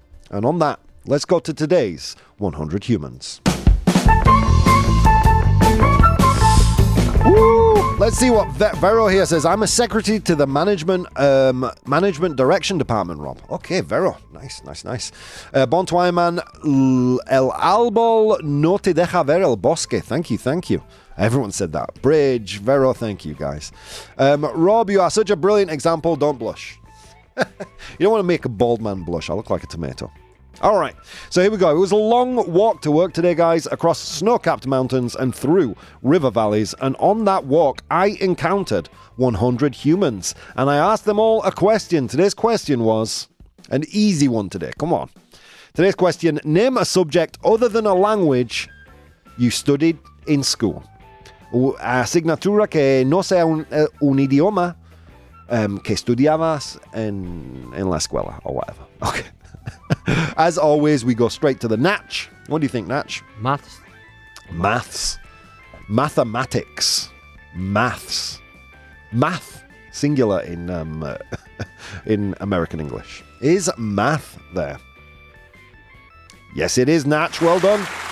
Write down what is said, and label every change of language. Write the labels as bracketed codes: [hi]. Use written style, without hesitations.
[en] And on that, let's go to today's 100 Humans. Woo! Let's see what Vero here says. I'm a secretary to the management management direction department, Rob. Okay, Vero. Nice. Bon toit, man. [es] El árbol no te deja ver el bosque. [en] Thank you. Everyone said that. Bridge, Vero, thank you, guys. Rob, you are such a brilliant example. Don't blush. You don't want to make a bald man blush. I look like a tomato. All right, so here we go. It was a long walk to work today, guys, across snow-capped mountains and through river valleys. And on that walk, I encountered 100 humans. And I asked them all a question. Today's question was an easy one today. Come on. Today's question, name a subject other than a language you studied in school. [es] Asignatura que no sea un idioma que estudiabas en la escuela [en] or whatever. Okay. As always, we go straight to the Natch. What do you think, Natch? Maths. Mathematics. Maths. Math. singular in American English. Is math there? Yes, it is, Natch. Well done.